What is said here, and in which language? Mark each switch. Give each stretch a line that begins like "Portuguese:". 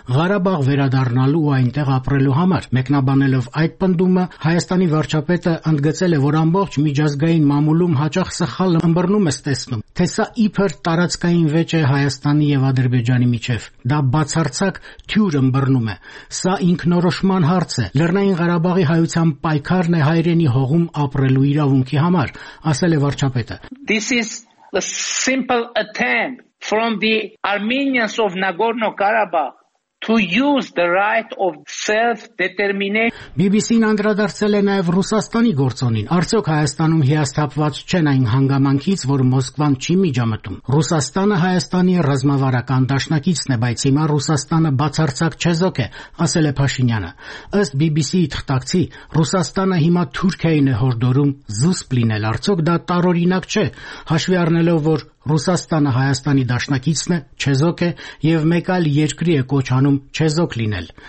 Armenian: Ղարաբաղ վերադառնալու ու այնտեղ ապրելու համար։ Մեկնաբանելով այդ պնդումը, Հայաստանի վարչապետը ընդգծել է, որ ամբողջ միջազգային մամուլում հաճախ Հալը ըմբռնում է տեսնում, թե սա իբր տարածքային վեճ է Հայաստանի եւ Ադրբեջանի միջև։ Դա բացարձակ թյուր ըմբռնում է։ Սա ինքնորոշման հարց է։ Լեռնային Ղարաբաղի հայության պայքարն է հայրենի հողում ապրելու իրավունքի համար, ասել է վարչապետը։
English: This is a simple attempt from the Armenians of Nagorno-Karabakh to use the right of self-determination.
Armenian: BBC-ն անդրադարձել է նաև Ռուսաստանի գործոնին։ Արդյոք Հայաստանում հիասթափված չեն այն հանգամանքից, որ Մոսկվան չի միջամտում։ Ռուսաստանը Հայաստանի ռազմավարական դաշնակիցն է, բայց հիմա Ռուսաստանը բացարձակ չեզոք է, ասել է Փաշինյանը։ Ըստ BBC-ի թղթակցի, Ռուսաստանը հիմա Թուրքիային է հորդորում զուսպ լինել։ Արդյոք դա տարօրինակ չէ, հաշվի առնելով, որ Ռուսաստանը Հայաստանի դաշնակիցն է, չեզոք է, եւ մեկ այլ երկրի է կոչանում չեզոք լինել։